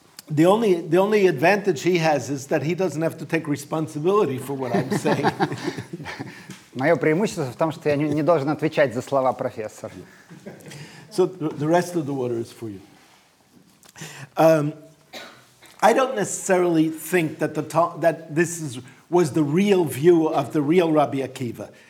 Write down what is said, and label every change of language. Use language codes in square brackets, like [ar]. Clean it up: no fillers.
[en] The only advantage he has is that he doesn't have to take responsibility for what I'm saying. [ru] Моё преимущество в том, что я не должен отвечать за слова профессора. [en] So the rest of the water is for you. I don't necessarily think that this was the real view of the real Rabbi Akiva.